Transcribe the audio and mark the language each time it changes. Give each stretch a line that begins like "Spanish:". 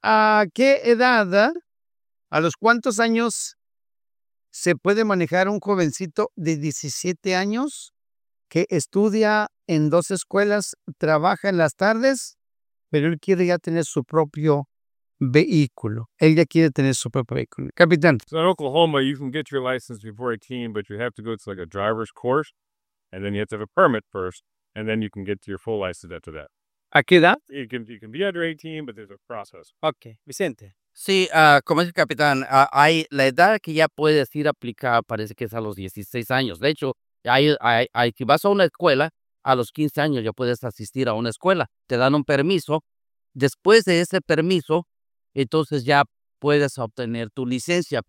Spanish: ¿A qué edad, a los cuántos años se puede manejar un jovencito de 17 años que estudia en dos escuelas, trabaja en las tardes, pero él quiere ya tener su propio vehículo? Él ya quiere tener su propio vehículo. Capitán.
English: So in Oklahoma, you can get your license before 18, but you have to go to like a driver's course, and then you have to have a permit first, and then you can get to your full license after that.
Spanish: ¿A qué edad?
English: You can be under 18, but there's a process. Okay, Vicente.
Spanish: Sí, como dice el capitán, hay la edad que ya puedes ir a aplicar, parece que es a los 16 años. De hecho, hay si vas a una escuela, a los 15 años ya puedes asistir a una escuela. Te dan un permiso. Después de ese permiso, entonces ya puedes obtener tu licencia.